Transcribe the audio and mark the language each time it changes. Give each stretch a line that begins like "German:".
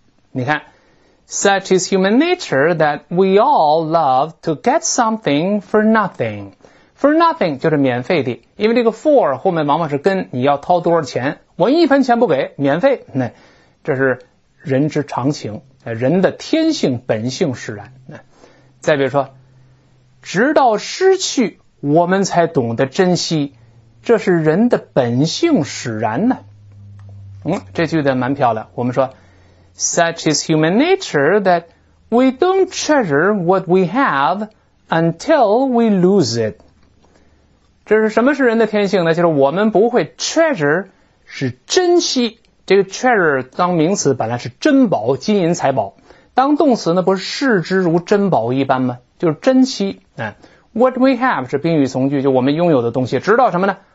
Chinese: 你看
English: such is human nature that we all love to get something for nothing,
Chinese: for nothing 就是免费的，因为这个 for 后面往往是跟你要掏多少钱，我一分钱不给，免费，那这是人之常情，人的天性本性使然。再比如说，直到失去我们才懂得珍惜，这是人的本性使然呢。这句的蛮漂亮，我们说
English: Such is human nature that we don't treasure what we have until we lose it.
Chinese: 这是什么是人的天性呢？就是我们不会 treasure 是珍惜，这个 treasure 当名词本来是珍宝、金银财宝，当动词呢不是视之如珍宝一般吗？就是珍惜。
English: What we have
Chinese: 是宾语从句，就我们拥有的东西，直到什么呢？